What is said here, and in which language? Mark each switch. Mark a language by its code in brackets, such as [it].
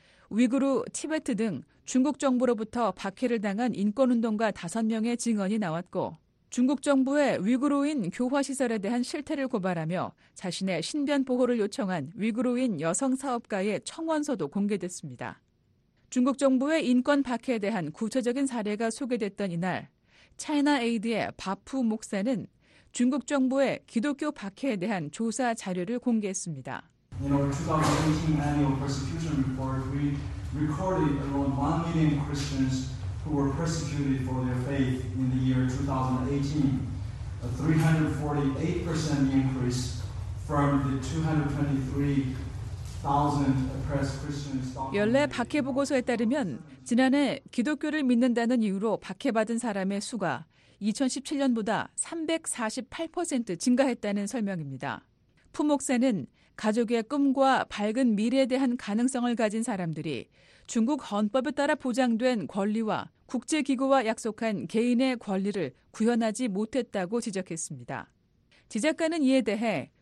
[ko] 위구르, 티베트 등 중국 정부로부터 박해를 당한 인권운동가 5명의 증언이 나왔고 중국 정부의 위구르인 교화시설에 대한 실태를 고발하며 자신의 신변 보호를 요청한 위구르인 여성 사업가의 청원서도 공개됐습니다. 중국 정부의 인권 박해에 대한 구체적인 사례가 소개됐던 이날 차이나 에이드의 바푸 목사는 중국 정부의 기독교 박해에 대한 조사 자료를 공개했습니다. [en] In our 2018 annual persecution report, we recorded around 1 million Christians who were persecuted for their faith in the year 2018, a 348% increase from the 223,000 oppressed Christians. [ko] 연례 박해 보고서에 따르면 지난해 기독교를 믿는다는 이유로 박해받은 사람의 수가 2017년보다 348% 증가했다는 설명입니다. 푸 목사는 가족의 꿈과 밝은 미래에 대한 가능성을 가진 사람들이 중국 헌법에 따라 보장된 권리와 국제기구와 약속한 개인의 권리를 구현하지 못했다고 지적했습니다. 지 작가는 이에 대해